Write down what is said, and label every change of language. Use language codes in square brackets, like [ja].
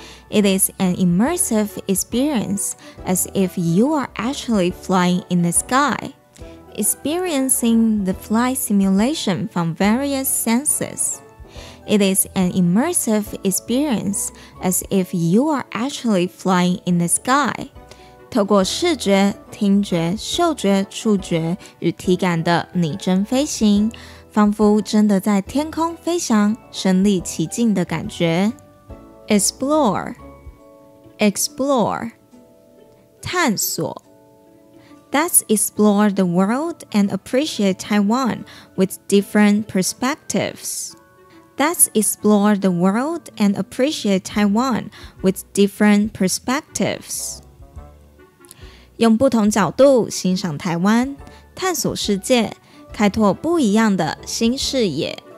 [en] It is an immersive experience as if you are actually flying in the sky. Experiencing the flight simulation from various senses. It is an immersive experience as if you are actually flying in the sky. [zh] 透过视觉、听觉、嗅觉、触觉与体感的拟真飞行，仿佛真的在天空飞翔，身临其境的感觉。 Explore, 探索。 [en] Let's explore the world and appreciate Taiwan with different perspectives. Let's explore the world and appreciate Taiwan with different perspectives. [zh] 用不同角度欣赏台湾，探索世界，开拓不一样的新视野。